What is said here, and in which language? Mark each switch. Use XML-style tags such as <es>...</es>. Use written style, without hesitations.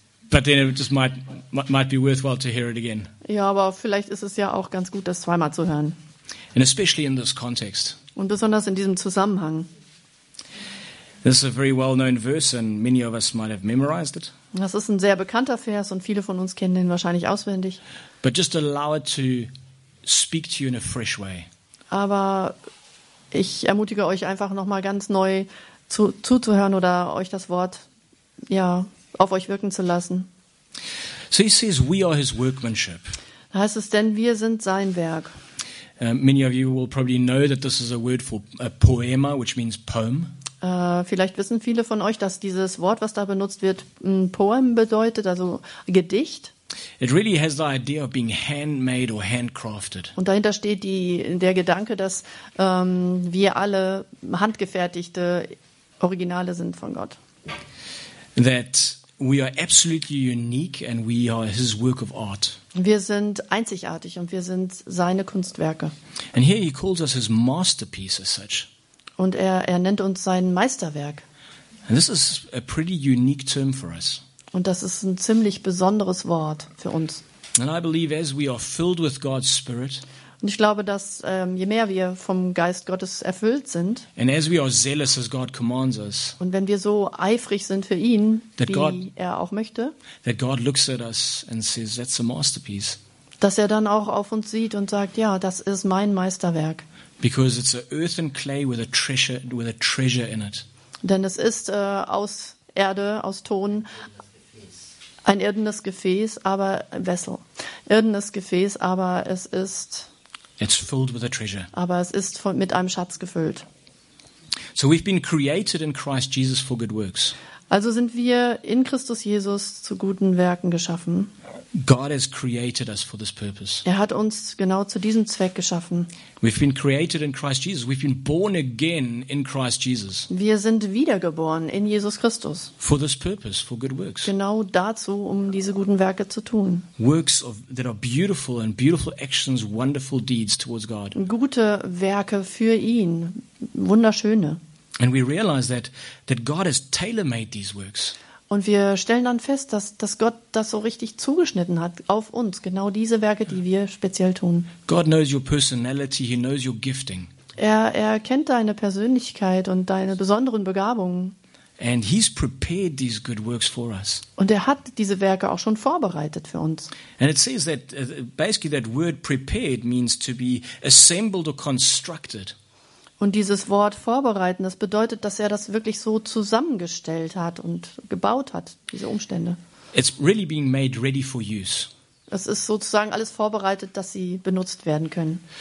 <en>But then it just might be worthwhile to hear it again.</en> <de>Ja, aber vielleicht ist es ja auch ganz gut, das zweimal zu hören.</de> <en>And especially in this context.</en> <de>Und besonders in diesem Zusammenhang.</de> <en>This is a very well-known verse, and many of us might have memorized it.</en> <de>Das ist ein sehr bekannter Vers, und viele von uns kennen ihn wahrscheinlich auswendig.</de> <en>But just allow it to speak to you in a fresh way.</en> <de>Aber ich ermutige euch einfach nochmal ganz neu zuzuhören oder euch das Wort auf euch wirken zu lassen.</de> <en>So he says, we are his workmanship.</en> <de>Da heißt es, denn wir sind sein Werk.</de> <en>Many of you will probably know that this is a word for a poema, which means poem.</en> <de>Vielleicht wissen viele von euch, dass dieses Wort, was da benutzt wird, ein Poem bedeutet, also Gedicht.</de> <en>It really has the idea of being handmade or handcrafted.</en> <de>Und dahinter steht der Gedanke, dass wir alle handgefertigte Originale sind von Gott.</de> <en>That we are absolutely unique and we are his work of art.</en> <de>Wir sind einzigartig und wir sind seine Kunstwerke.</de> <en>And here he calls us his masterpiece as such.</en> <de>Und er nennt uns sein Meisterwerk.</de> <en>And this is a pretty unique term for us.</en> <de>Und das ist ein ziemlich besonderes Wort für uns.</de> <en>And I believe as we are filled with God's Spirit,</en> <de>und ich glaube, dass je mehr wir vom Geist Gottes erfüllt sind,</de> <en>and as we are zealous as God commands us,</en> <de>und wenn wir so eifrig sind für ihn, wie God, er auch möchte,</de> <en>that God looks at us and says, that's a masterpiece.</en> <de>Dass er dann auch auf uns sieht und sagt, ja, das ist mein Meisterwerk.</de> <en>Because it's an earthen clay with a treasure in it.</en> <de>Denn es ist aus Erde, aus Ton, Ein irdenes Gefäß, aber Vessel. Irdenes Gefäß, aber es ist.</de> <en>It's filled with a treasure.</en> <de>Aber es ist mit einem Schatz gefüllt.</de> <en>So we've been created in Christ Jesus for good works.</en> <de>Also sind wir in Christus Jesus zu guten Werken geschaffen.</de> <en>God has created us for this purpose.</en> <de>Er hat uns genau zu diesem Zweck geschaffen.</de> <en>We've been created in Christ Jesus. We've been born again in Christ Jesus.</en> <de>Wir sind wiedergeboren in Jesus Christus.</de> <en>For this purpose, for good works.</en> <de>Genau dazu, um diese guten Werke zu tun.</de> <en>Works of that are beautiful and beautiful actions, wonderful deeds towards God.</en> <de>Gute Werke für ihn, wunderschöne.</de> <en>And we realize that God has tailor-made these works.</en> <de>Und wir stellen dann fest, dass Gott das so richtig zugeschnitten hat auf uns, genau diese Werke, die wir speziell tun.</de> <en>God knows your personality, he knows your gifting.</en> <de>Er kennt deine Persönlichkeit und deine besonderen Begabungen.</de> <en>And he's prepared these good works for us.</en> <de>Und er hat diese Werke auch schon vorbereitet für uns.</de> <en>And it says that basically that word prepared means to be assembled or constructed.</en> <de>Und dieses Wort vorbereiten, das bedeutet, dass er das wirklich so zusammengestellt hat und gebaut hat, diese Umstände.</de> <en>It's really being made ready for use.</en> <de>Es ist sozusagen alles vorbereitet, dass sie benutzt werden können.</de>